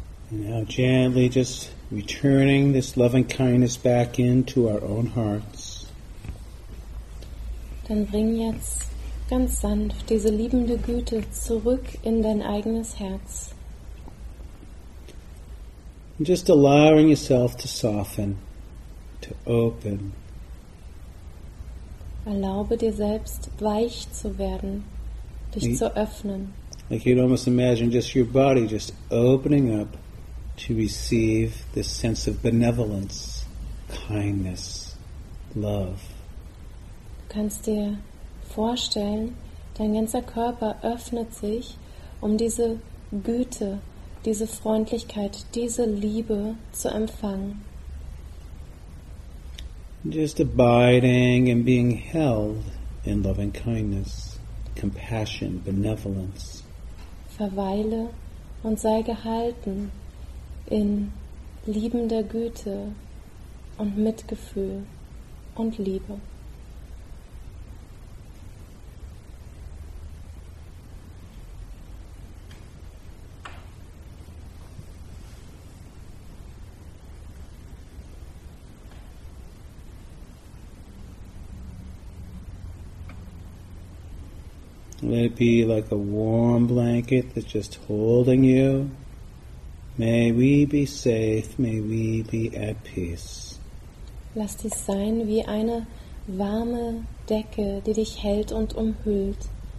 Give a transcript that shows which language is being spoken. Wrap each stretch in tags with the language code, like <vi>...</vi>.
<en>Now gently just returning this loving kindness back into our own hearts.</en> <de>Dann bring jetzt ganz sanft diese liebende Güte zurück in dein eigenes Herz.</de> <en>And just allowing yourself to soften, to open.</en> <de>Erlaube dir selbst weich zu werden, dich zu öffnen.</de> <en>Like you'd almost imagine just your body just opening up to receive this sense of benevolence, kindness, love.</en> <de>Du kannst dir vorstellen, dein ganzer Körper öffnet sich, um diese Güte, diese Freundlichkeit, diese Liebe zu empfangen.</de> <en>Just abiding and being held in loving kindness, compassion, benevolence.</en> <de>Verweile und sei gehalten in liebender Güte und Mitgefühl und Liebe.</de> <en>Let it be like a warm blanket that's just holding you. May we be safe, may we be at peace.</en> <de>Lass dies sein wie eine warme Decke, die dich hält und umhüllt.</de>